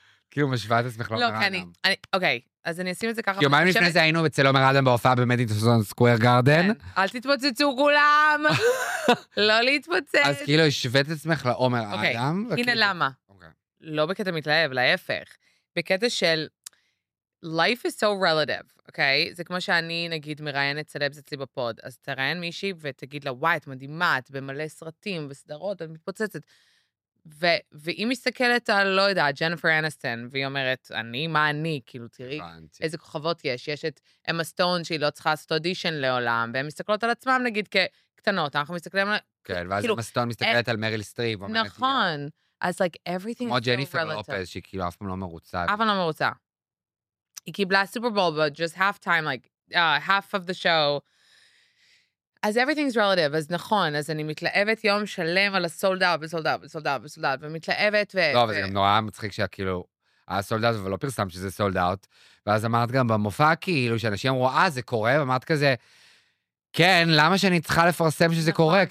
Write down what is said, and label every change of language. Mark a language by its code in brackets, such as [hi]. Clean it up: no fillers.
[he] כאילו משוואת עצמך לא מרדם. לא, כן, אוקיי, אז אני אשים את זה ככה. כי יומיים לפני זה היינו אצל עומר אדם בהופעה במדיסון סקוויר גארדן. אל תתפוצצו כולם, לא להתפוצץ. אז כאילו השוואת עצמך לעומר אדם. הנה למה. לא בקטע מתלהב, להפך. בקטע של [en] life is so relative, [he] אוקיי? זה כמו שאני, נגיד, מראיינת סלבס אצלי בפוד. אז תראיין מישהי ותגיד לה, וואי, את מדהימה, את במלא סרטים וסדרות, את מתפוצצת. ואם מסתכלת על, לא יודע, ג'ניפר אניסטון, והיא אומרת, אני, מה אני? כאילו, תראי איזה כוכבות יש. יש את אמה סטון, שהיא לא צריכה לעשות אודישן לעולם, והן מסתכלות על עצמם, נגיד, כקטנות. אנחנו מסתכלים על... כן, ואז אמה סטון מסתכלת על מריל סטריב. נכון. אז, [en] like, everything is so relative. [he] כמו ג'ניפר לופז, שהיא כאילו אף פעם לא מרוצה. אף פעם לא מרוצה. היא קיבלה סופרבול, [en] but just half time, like, half of the show... [he] אז [en] everything's relative, [he] אז נכון, אז אני מתלהבת יום שלם על הסולד אאוט, וסולד אאוט, וסולד אאוט, וסולד אאוט, ומתלהבת ו... לא, וזה גם נורא מצחיק שהיה כאילו, היה סולד אאוט, אבל לא פרסם שזה סולד אאוט, ואז אמרת גם במופע כאילו, שאנשים אמרו, זה קורה, ואמרת כזה, כן, למה שאני צריכה לפרסם שזה קורה?